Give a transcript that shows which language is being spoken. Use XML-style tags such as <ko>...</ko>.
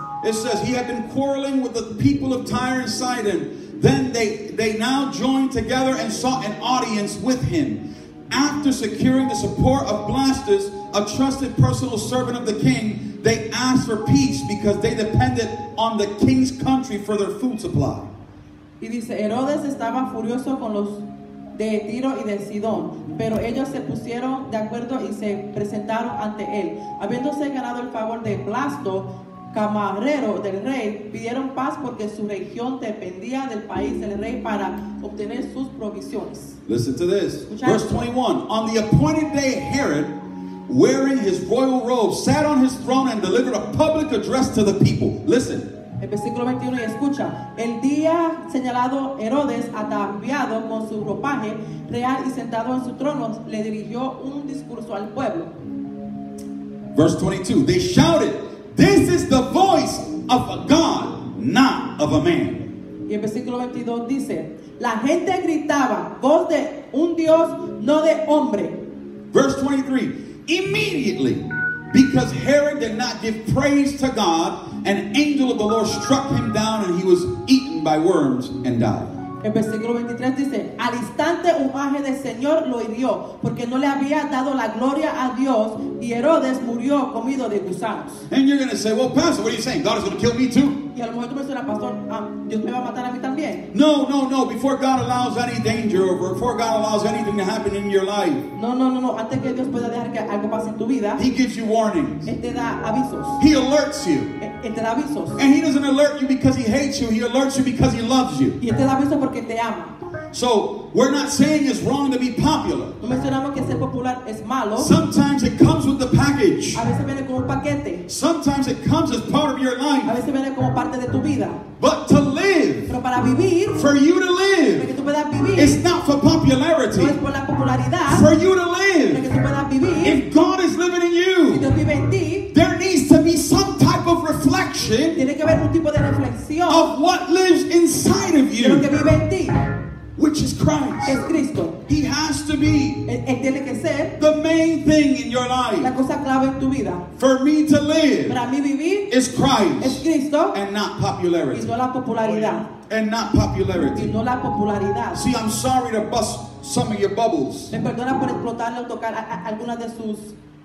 <en>It says, he had been quarreling with the people of Tyre and Sidon. Then they now joined together and sought an audience with him. After securing the support of Blastus, a trusted personal servant of the king, they asked for peace because they depended on the king's country for their food supply.</en> <es>Y dice, Herodes estaba furioso con los de Tiro y de Sidón, pero ellos se pusieron de acuerdo y se presentaron ante él. Habiéndose ganado el favor de Blasto, camarero del rey, pidieron paz porque su región dependía del país del rey para obtener sus provisiones.</es> <en>Listen to this. Verse 21. On the appointed day, Herod, wearing his royal robe, sat on his throne and delivered a public address to the people. Listen.</en> <es>El versículo 21 y escucha. El día señalado, Herodes, ataviado con su ropaje real y sentado en su trono, le dirigió un discurso al pueblo.</es> <en>Verse 22. They shouted, this is the voice of a God, not of a man.</en> <es>Y el versículo 22 dice, la gente gritaba, voz de un Dios, no de hombre.</es> <en>Verse 23, immediately, because Herod did not give praise to God, an angel of the Lord struck him down and he was eaten by worms and died.</en> <es>El versículo 23 dice, al instante un ángel del Señor lo hirió, porque no le había dado la gloria a Dios, y Herodes murió comido de gusanos.</es> <en>And you're going to say, well, pastor, what are you saying? God is going to kill me too?</en> <es>Y a lo mejor tú me suena, pastor, Dios me va a matar a mí también.</es> <en>No, no, no, before God allows any danger, or before God allows anything to happen in your life.</en> <es>No, no, no, no, antes que Dios pueda dejar que algo pase en tu vida.</es> <en>He gives you warnings.</en> <es>Él te da avisos.</es> <en>He alerts you.</en> <es>Él te da avisos.</es> <en>And he doesn't alert you because he hates you. He alerts you because he loves you.</en> <es>Y él te da avisos porque te ama.</es> <en>So we're not saying it's wrong to be popular.</en> <es>No mencionamos que ser popular es malo.</es> <en>Sometimes it comes with the package.</en> <es>A veces viene como un paquete.</es> <en>Sometimes it comes as part of your life.</en> <es>A veces viene como parte de tu vida.</es> <en>But to live.</en> <es>Pero para vivir.</es> <en>For you to live.</en> <es>Porque tú puedas vivir.</es> <en>It's not for popularity.</en> <es>claridad</es> <en>for you to live.</en> <es>Para que tú puedas vivir.</es> <en>If God is living in you,</en> <es>si Dios vive en ti,</es> <en>there needs to be some type of reflection</en> <es>tiene que haber un tipo de reflexión</es> <en>of what lives inside of you,</en> <es>de lo que vive en ti,</es> <en>which is Christ.</en> <es>Es Cristo.</es> <en>He has to be</en> <es>él tiene que ser</es> <en>the main thing in your life.</en> <es>La cosa clave en tu vida.</es> <en>For me to live</en> <es>para mí vivir</es> <en>is Christ</en> <es>es Cristo,</es> <en>and not popularity.</en> <es>Y no la popularidad.</es> <en>And not popularity.</en> <es>Y no la popularidad.</es> <en>See, I'm sorry to bust some of your bubbles.</en> <es>Me perdona por explotarle o tocar algunas de sus</es>